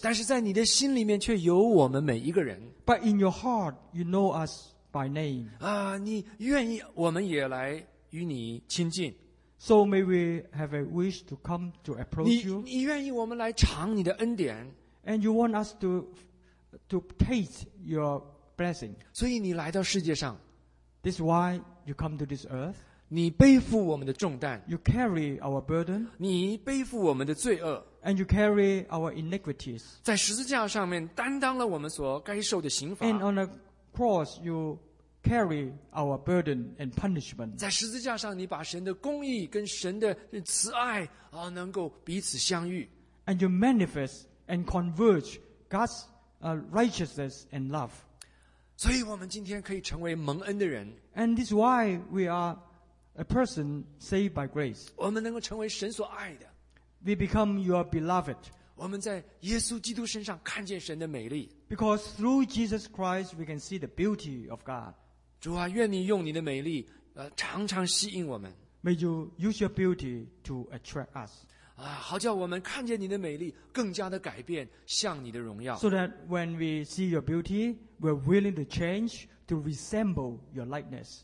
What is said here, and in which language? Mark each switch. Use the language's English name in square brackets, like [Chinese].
[Chinese] 但是在你的心里面却有我们每一个人。 [English] But in your heart, you know us by name. [Chinese] 你愿意我们也来与你亲近。 [English] So may we have a wish to come to approach you. [Chinese] 你愿意我们来尝你的恩典。 [English] And you want us to taste your blessing. [Chinese] 所以你来到世界上。 [English] This is why you come to this earth. [Chinese] 你背负我们的重担。 [English] You carry our burden. [Chinese] 你背负我们的罪恶。 [English] And you carry our iniquities. [Chinese] 在十字架上面担当了我们所该受的刑罚。 [English] And on the cross, you carry our burden and punishment. [Chinese] 在十字架上你把神的公义跟神的慈爱 能够彼此相遇。 [English] And you manifest and converge God's righteousness and love. [Chinese] 所以我们今天可以成为蒙恩的人。 [English] And this is why we are a person saved by grace. [Chinese] 我们能够成为神所爱的。 [English] We become your beloved. [Chinese] 我们在耶稣基督身上看见神的美丽。 [English] Because through Jesus Christ, we can see the beauty of God. [Chinese] 主啊, 愿你用你的美丽, 常常吸引我们。 [English] May you use your beauty to attract us. [Chinese] 好叫我们看见你的美丽, 更加的改变, 向你的荣耀。 [English] So that when we see your beauty, we're willing to change to resemble your likeness.